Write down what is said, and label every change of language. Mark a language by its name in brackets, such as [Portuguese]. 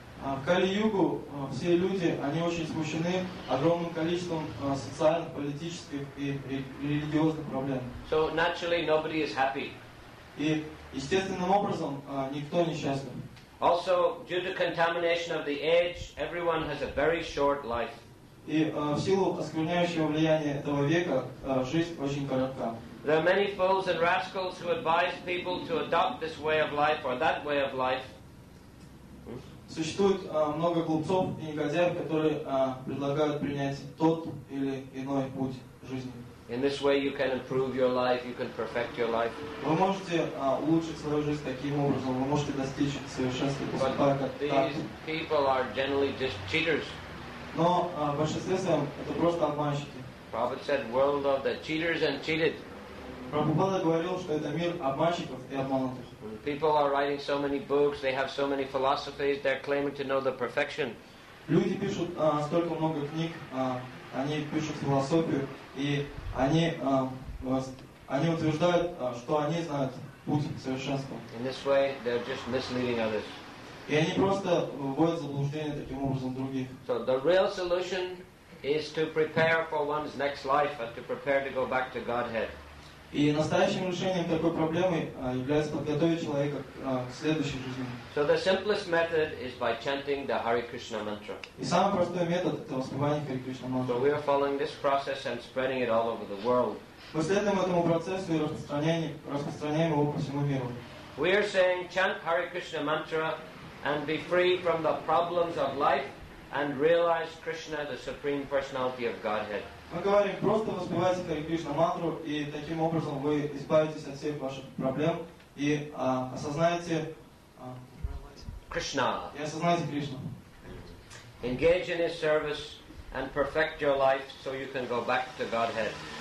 [Russian] В Кали-югу все люди, они очень смущены огромным количеством социальных, политических и религиозных проблем. [English] So naturally, nobody is happy. [Russian] И естественным образом никто не счастлив. [English] Also, due to contamination of the age, everyone has a very short life. [Russian] И в силу оскверняющего влияния этого века жизнь очень коротка. [English] There are many fools and rascals who advise people to adopt this way of life or that way of life. [Russian] Существует много глупцов и негодяев, которые предлагают принять тот или иной путь жизни. [English] In this way you can improve your life, you can perfect your life. [Russian] Вы можете улучшить свою жизнь таким образом, вы можете достичь совершенства. [English] But these people are generally just cheaters. [Russian] Но в большинстве своем это просто обманщики. [English] Prabhupada said, world of the cheaters and cheated. [Russian] Прабхупада говорил, что это мир обманщиков и обманутых. [English] People are writing so many books, they have so many philosophies, they're claiming to know the perfection. [Russian] Люди пишут столько много книг, они пишут философию, и они утверждают, что они знают путь к совершенству. [English] In this way, they're just misleading others. [Russian] И они просто вводят в заблуждение таким образом других. [English] So the real solution is to prepare for one's next life and to prepare to go back to Godhead. [Russian] И настоящим решением такой проблемы является подготовить человека к следующей жизни. [English] So the simplest method is by chanting the Hare Krishna mantra. [Russian] И самый простой метод это воспевание Hare Krishna mantra. [English] So we are following this process and spreading it all over the world. [Russian] Мы следуем этому процессу и распространяем его по всему миру. [English] We are saying chant Hare Krishna mantra and be free from the problems of life and realize Krishna the supreme personality of Godhead. [Russian] Мы говорим, просто воспевайте Хари Кришна мантру, и таким образом вы избавитесь от всех ваших проблем и осознаете Кришна. И осознаете Кришну. [English] Engage in his service and perfect your life so you can go back to Godhead.